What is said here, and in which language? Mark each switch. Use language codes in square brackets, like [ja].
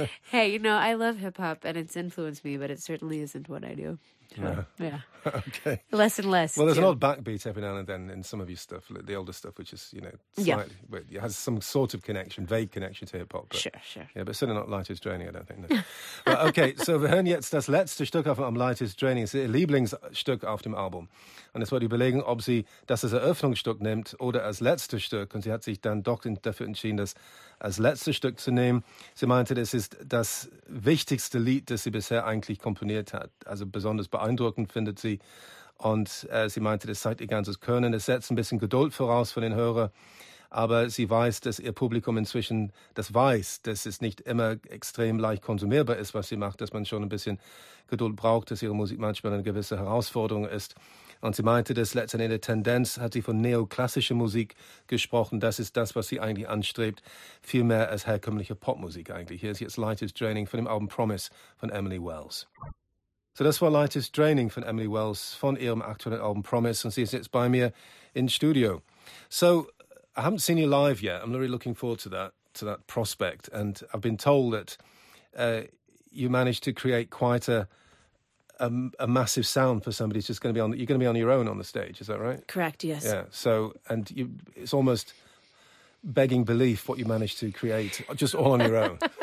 [en] Hey, you know, I love hip hop and it's influenced me, but it certainly isn't what I do. Okay. Less and less. Well, there's an old backbeat every now and then in some of your stuff, the older stuff, which is, you know, slightly, but it has some sort of connection, vague connection to hip hop. Sure. Yeah, but certainly not Light Is Draining, I don't think. No. Well, okay, so [de] wir hören jetzt das letzte Stück auf dem Light Is Draining. Es ist ihr Lieblingsstück auf dem Album. Und es wollte überlegen, ob sie das als Eröffnungsstück nimmt oder als letztes Stück. Und sie hat sich dann doch dafür entschieden, das als letztes Stück zu nehmen. Sie meinte, das ist das wichtigste Lied, das sie bisher eigentlich komponiert hat. Also besonders beeindruckend findet sie. Und sie meinte, das zeigt ihr ganzes Können. Es setzt ein bisschen Geduld voraus von den Hörern. Aber sie weiß, dass ihr Publikum inzwischen das weiß, dass es nicht immer extrem leicht konsumierbar ist, was sie macht, dass man schon ein bisschen Geduld braucht, dass ihre Musik manchmal eine gewisse Herausforderung ist. Und sie meinte, dass letztendlich in der Tendenz hat sie von neoklassischer Musik gesprochen. Das ist das, was sie eigentlich anstrebt. Viel mehr als herkömmliche Popmusik eigentlich. Hier ist jetzt Light is Draining von dem Album Promise von Emily Wells. So, das war Light is Draining von Emily Wells von ihrem aktuellen Album Promise. Und sie ist jetzt bei mir in Studio. [en] So, I haven't seen you live yet. I'm really looking forward to that prospect. And I've been told that you managed to create quite a massive sound for somebody who's just going to be on. You're going to be on your own on the stage, is that right? Correct, yes. Yeah, so, and you, it's almost begging belief what you managed to create, just all on your own.